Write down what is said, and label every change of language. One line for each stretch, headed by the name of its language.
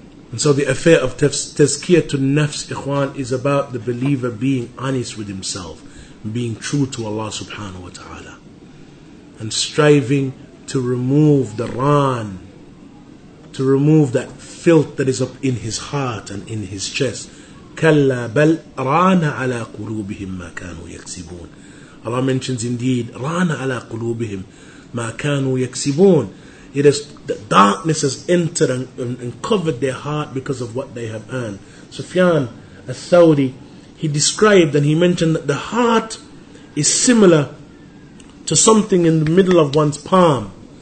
English: And so the affair of tazkiyatun nafs, ikhwan, is about the believer being honest with himself, being true to Allah subhanahu wa ta'ala, and striving to remove the ran, to remove that filth that is up in his heart and in his chest.
Arabic: كلا بل ران على قلوبهم ما كانوا يكسبون.
English: Allah mentions indeed,
Arabic: ران على قلوبهم ما كانوا يكسبون.
English: It is the darkness has entered and covered their heart because of what they have earned. Sufyan al-Thawri, he described and he mentioned that the heart is similar to something in the middle of one's palm.